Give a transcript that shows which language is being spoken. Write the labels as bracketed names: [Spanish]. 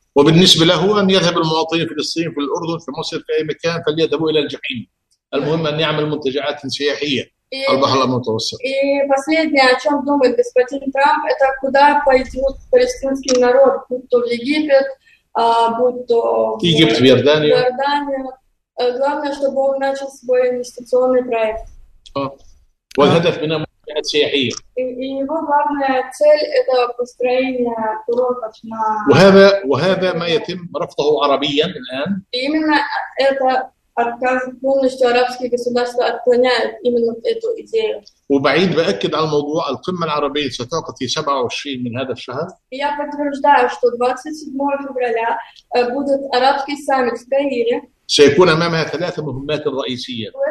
[Arabic] وبالنسبة له أن يذهب المواطنين في فلسطين في الأردن في مصر في أي مكان فليذهبوا إلى الجحيم، المهم أن يعمل منتجعات سياحية على البحر المتوسط. [Russian] И последнее, о чем думает господин Трамп, это куда пойдет палестинский народ, будь то в Египет, будь то в Египет, в Иорданию. Главное, чтобы он начал свой инвестиционный проект. [Arabic] والهدف منه منتجعات سياحية. [Russian] И его главная цель – это построение курортов на... [Arabic] وهذا ما يتم رفضه عربيا الآن. [Russian] Именно это отказ полностью арабские государства отклоняют именно эту идею. [Arabic] وبعيد بأكد على الموضوع القمة العربية ستعقد في 27 من هذا الشهر. [Russian] Я подтверждаю, что 27 февраля будет арабский саммит в Каире. [Arabic] سيكون أمامها ثلاثة مهمات رئيسية.